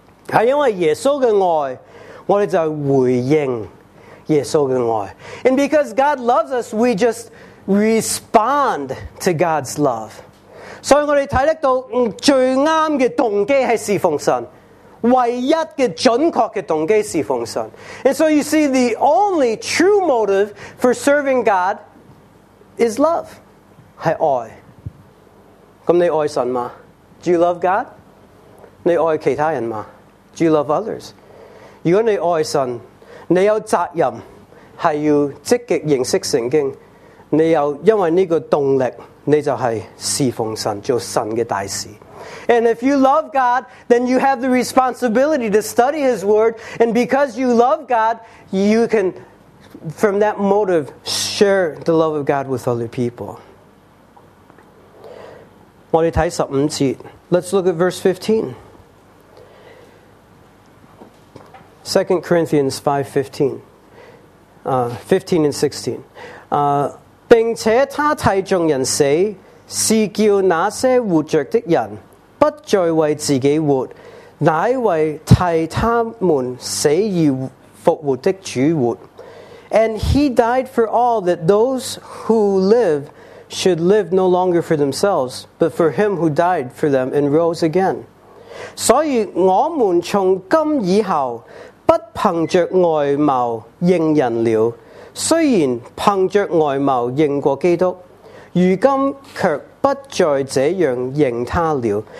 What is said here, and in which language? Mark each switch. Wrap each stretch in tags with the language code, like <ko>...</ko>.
<zh>是因为耶稣的爱，我们就回应耶稣的爱。</zh> <en>And because God loves us, we just respond to God's love.</en> <zh>所以我们看得到最啱的动机是侍奉神。唯一的准确的动机是奉神。</zh> <en>And so you see, the only true motive for serving God is love.</en> <zh>是爱。那你爱神吗?</zh> <en>Do you love God?</en> <zh>你爱其他人吗?</zh> <en>Do you love others?</en> <zh>如果你爱神，你有责任，是要积极认识圣经，你有因为这个动力，你就是侍奉神，做神的大事。</zh> <en>And if you love God, then you have the responsibility to study His Word. And because you love God, you can, from that motive, share the love of God with other people.</en> <zh>我们看15节。</zh> <en>Let's look at verse 15. 2 Corinthians 5:15. 15 and 16.</en> <zh>并且他替众人死，是叫那些活着的人不再为自己活，乃为替他们死而复活的主活。</zh> <en>And he died for all, that those who live should live no longer for themselves, but for him who died for them and rose again.</en> <zh>所以我们从今以后不凭着外貌认人了，虽然凭着外貌认过基督，如今却 But joy ze yung yung ta liu.</zh>